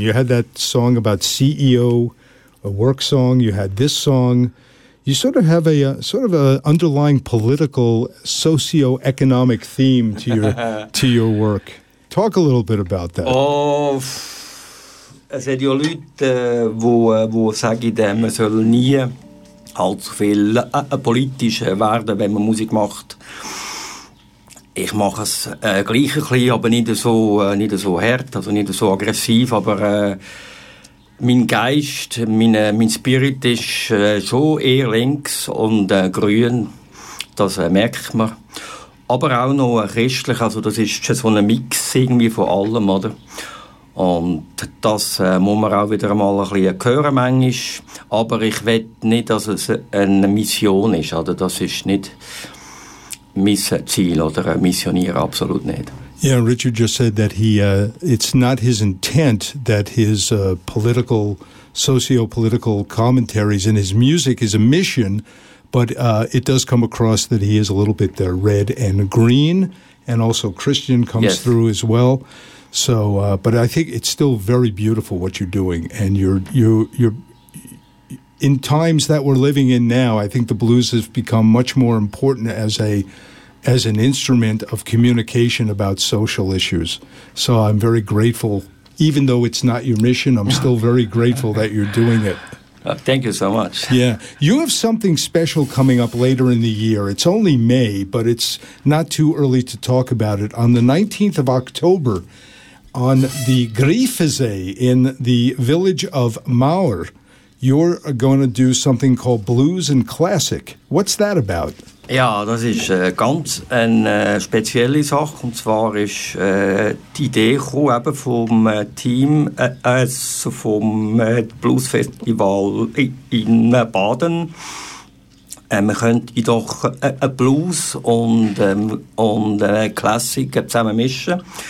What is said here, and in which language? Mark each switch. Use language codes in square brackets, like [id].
[en] You had that song about CEO, a work song. You had this song. You sort of have a underlying political, socio-economic theme to your to your work. Talk a little bit about that. [de] Oh, es hat ja Leute, wo sagen, man soll nie allzu viel politisch werden, wenn man Musik macht. Ich mache es gleich ein bisschen, aber nicht so hart, also nicht so aggressiv. Aber mein Geist, mein Spirit ist schon eher links und grün. Das merkt man. Aber auch noch christlich, also das ist schon so ein Mix irgendwie von allem, oder? Und das muss man auch wieder mal ein bisschen hören manchmal. Aber ich will nicht, dass es eine Mission ist, oder? Das ist nicht mein Ziel oder missionieren, absolut nicht. [en] Yeah, Richard just said that it's not his intent that his political, socio-political commentaries in his music is a mission, but it does come across that he is a little bit red and green, and also Christian comes through as well. So, but I think it's still very beautiful what you're doing, and you're in times that we're living in now, I think the blues has become much more important as an instrument of communication about social issues. So I'm very grateful, even though it's not your mission, I'm still very grateful that you're doing it. Thank you so much. Yeah. You have something special coming up later in the year. It's only May, but it's not too early to talk about it. On the 19th of October, on the Griffesee in the village of Maur, you're going to do something called Blues and Classic. What's that about? [de] Ja, das ist ganz eine spezielle Sache. Und zwar ist die Idee gekommen, eben vom Team, also vom Blues Festival in Baden. Man könnte doch Blues und Classic zusammen mischen.